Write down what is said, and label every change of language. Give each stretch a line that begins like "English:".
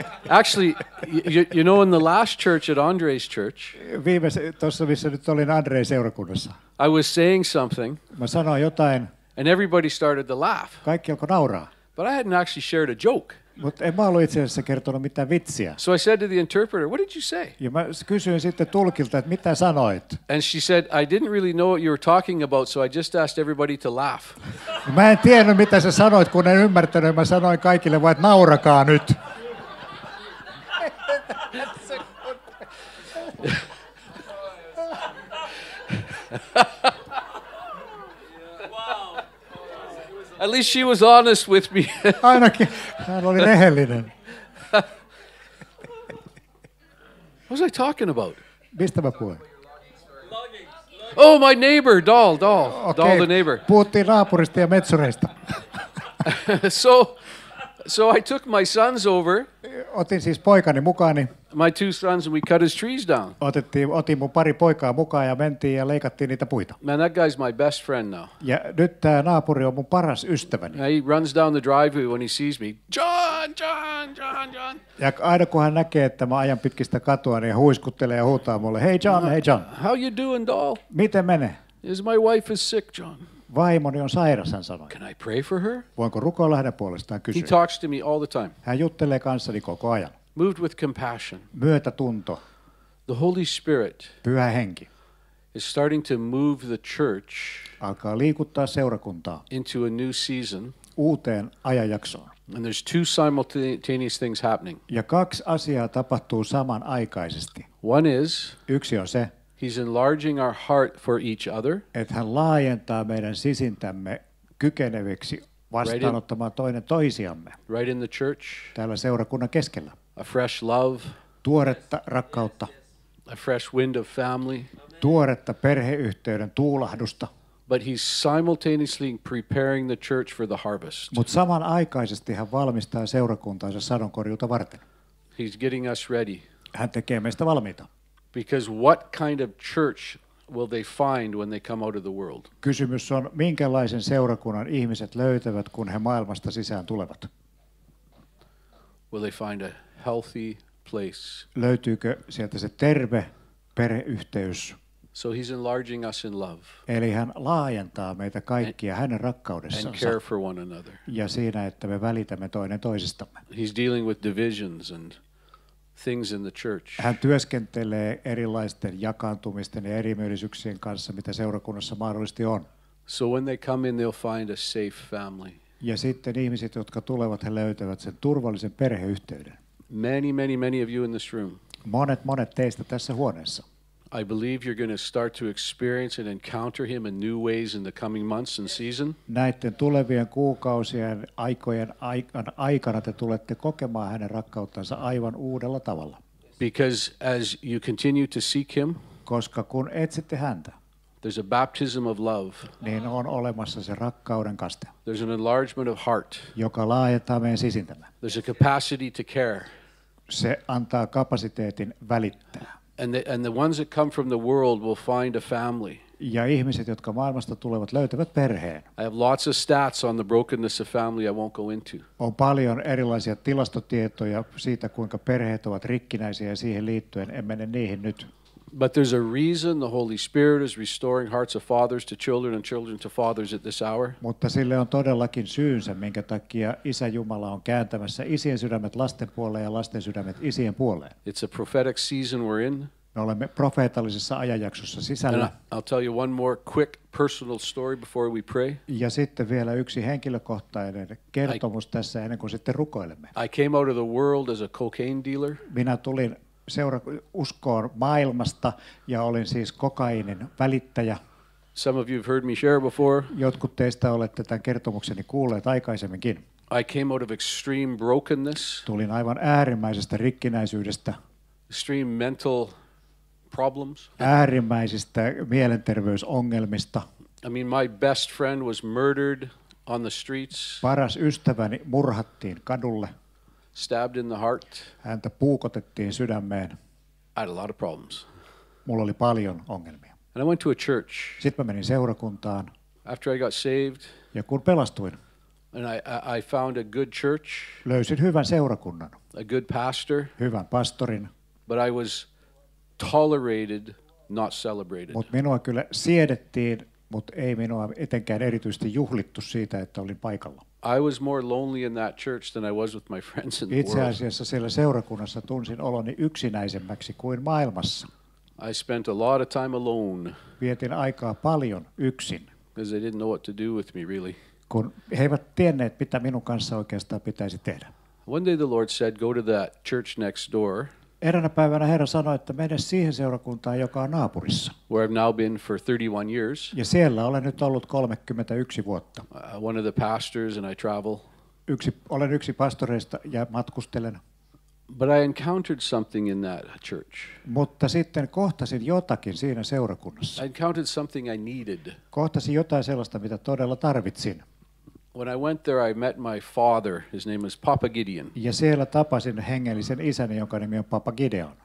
English: Actually, you know, in the last church at Andre's church,
Finnish: viimeisessä tuossa missä nyt olin Andre's seurakunnassa,
English: I was saying something,
Finnish: mä sanoin jotain,
English: and everybody started to laugh.
Finnish: Kaikki alkoi nauraa.
English: But I hadn't actually shared a joke.
Finnish: Mutta en mä ollut itse asiassa kertonut mitään vitsiä.
English: So I said to the interpreter, what did you say?
Finnish: Ja mä kysyin sitten tulkilta, että mitä sanoit?
English: And she said, I didn't really know what you were talking about, so I just asked everybody to laugh.
Finnish: Mä en tiennyt, mitä sä sanoit, kun en ymmärtänyt. Mä sanoin kaikille vaan, että naurakaa nyt.
English: At least she was honest with me.
Finnish: Ainakin hän oli rehellinen.
English: What was I talking about?
Finnish: Mistä mä puhuin?
English: Oh, my neighbor, doll. Okay. Doll the neighbor.
Finnish: Puhuttiin naapurista ja metsureista.
English: So I took my sons over.
Finnish: Otin siis poikani mukaani.
English: My two sons and we cut his trees down.
Finnish: Otin mun pari poikaa mukaan ja mentiin ja leikattiin niitä puita.
English: Man, that guy's my best friend now.
Finnish: Ja nyt tää naapuri on mun paras ystäväni.
English: He runs down the driveway when he sees me. John.
Finnish: Ja aina kun hän näkee, että mä ajan pitkistä katua, niin huiskuttelee ja huutaa mulle,
English: Hey John. How you doing, doll?
Finnish: Miten menee?
English: Is my wife is sick, John?
Finnish: Vaimoni on sairas, hän sanoi.
English: Can I pray for her?
Finnish: Voinko rukoilla hänen puolestaan, kysyi.
English: He talks to me all the time.
Finnish: Hän juttelee kanssani koko ajan.
English: Moved with compassion.
Finnish: Myötätunto.
English: The Holy Spirit.
Finnish: Pyhä henki.
English: Is starting to move the church.
Finnish: Alkaa liikuttaa seurakuntaa.
English: Into a new season.
Finnish: Uuteen ajanjaksoon.
English: And there's two simultaneous things happening.
Finnish: Ja kaksi asiaa tapahtuu samanaikaisesti.
English: One is.
Finnish: Yksi on se.
English: He's enlarging our heart for each other.
Finnish: Et hän laajentaa meidän sisintämme kykeneviksi vastaanottamaan toinen toisiamme.
English: Right in the church.
Finnish: Täällä seurakunnan keskellä.
English: A fresh love.
Finnish: Tuoretta rakkautta.
English: A fresh wind of family.
Finnish: Tuoretta perheyhteyden tuulahdusta.
English: But he's simultaneously preparing the church for the harvest.
Finnish: Mut samanaikaisesti hän valmistaa seurakuntaansa sadonkorjuuta varten.
English: He's getting us ready.
Finnish: Hän tekee meistä valmiita.
English: Because what kind of church will they find when they come out of the world?
Finnish: Kysymys on, minkälaisen seurakunnan ihmiset löytävät, kun he maailmasta sisään tulevat?
English: Will they find a healthy place?
Finnish: Löytyykö sieltä se terve perheyhteys?
English: So he's enlarging us in love.
Finnish: Eli hän laajentaa meitä kaikkia hänen rakkaudessaan.
English: And care for one another.
Finnish: Ja siinä, että me välitämme toinen toisistamme.
English: He's dealing with divisions and things in the church.
Finnish: Hän työskentelee erilaisten jakaantumisten ja erimielisyyksien kanssa, mitä seurakunnassa mahdollisesti on.
English: So when they come in, they'll find a safe family.
Finnish: Ja sitten ihmiset, jotka tulevat, he löytävät sen turvallisen perheyhteyden.
English: Many, many, many of you in this room.
Finnish: Monet, monet teistä tässä huoneessa.
English: I believe you're going to start to experience and encounter him in new ways in the coming months and season.
Finnish: Näiden tulevien kuukausien aikojen aikana te tulette kokemaan hänen rakkauttansa aivan uudella tavalla.
English: Because as you continue to seek him,
Finnish: koska kun etsitte häntä,
English: there's a baptism of love.
Finnish: Niin on olemassa se rakkauden kaste.
English: There's an enlargement of heart.
Finnish: Joka laajentaa meidän sisintämme.
English: There's a capacity to care.
Finnish: Se antaa kapasiteetin välittää.
English: And the ones that come from the world will find a family.
Finnish: Ja ihmiset, jotka maailmasta tulevat, löytävät perheen.
English: I have lots of stats on the brokenness of family I won't go into.
Finnish: On paljon erilaisia tilastotietoja siitä, kuinka perheet ovat rikkinäisiä ja siihen liittyen. En mene niihin nyt.
English: But there's a reason the Holy Spirit is restoring hearts of fathers to children and children to fathers at this hour.
Finnish: Mutta sille on todellakin syynsä, minkä takia Isä Jumala on kääntämässä isien sydämet lasten puoleen ja lasten sydämet isien puoleen.
English: It's a prophetic season we're in.
Finnish: Me olemme profeetallisessa ajanjaksossa sisällä.
English: I'll tell you one more quick personal story before we pray.
Finnish: Ja sitten vielä yksi henkilökohtainen kertomus tässä ennen kuin sitten rukoilemme.
English: I came out of the world as a cocaine dealer.
Finnish: Minä tulin uskoon maailmasta ja olin siis kokainin välittäjä.
English: Some of you have heard me share before.
Finnish: Jotkut teistä olette tämän kertomukseni kuulleet aikaisemminkin.
English: I came out of extreme brokenness.
Finnish: Tulin aivan äärimmäisestä rikkinäisyydestä.
English: Extreme mental problems.
Finnish: Äärimmäisistä mielenterveysongelmista.
English: I mean, my best friend was murdered on the streets.
Finnish: Paras ystäväni murhattiin kadulle.
English: Stabbed in the heart.
Finnish: Häntä puukotettiin sydämeen.
English: I had a lot of problems.
Finnish: Mulla oli paljon ongelmia.
English: And I went to a church.
Finnish: Sitten mä menin seurakuntaan.
English: After I got saved.
Finnish: Ja kun pelastuin.
English: And I found a good church.
Finnish: Löysin hyvän seurakunnan.
English: A good pastor.
Finnish: Hyvän pastorin.
English: But I was tolerated, not celebrated.
Finnish: Mut minua kyllä siedettiin, mut ei minua etenkään erityisesti juhlittu siitä, että olin paikalla.
English: I was more lonely in that church than I was with my friends in the
Finnish: itse asiassa siellä seurakunnassa tunsin oloni yksinäisemmäksi kuin maailmassa.
English: I spent a lot of time alone.
Finnish: Vietin aikaa paljon yksin.
English: Because they didn't know what to do with me really.
Finnish: Kun he eivät tienneet, mitä minun kanssa oikeastaan pitäisi tehdä.
English: One day the Lord said, go to that church next door.
Finnish: Eräänä päivänä Herra sanoi, että mene siihen seurakuntaan, joka on naapurissa.
English: Where I've now been for 31 years.
Finnish: Ja siellä olen nyt ollut 31 vuotta.
English: One of the pastors and I travel.
Finnish: Olen yksi pastoreista ja matkustelen.
English: But I encountered something in that church.
Finnish: Mutta sitten kohtasin jotakin siinä seurakunnassa.
English: I encountered something I needed.
Finnish: Kohtasin jotain sellaista, mitä todella tarvitsin.
English: When I went there, I met my father. His name was Papa Gideon.
Finnish: Ja siellä tapasin hengellisen isäni, jonka nimi on Papa Gideon.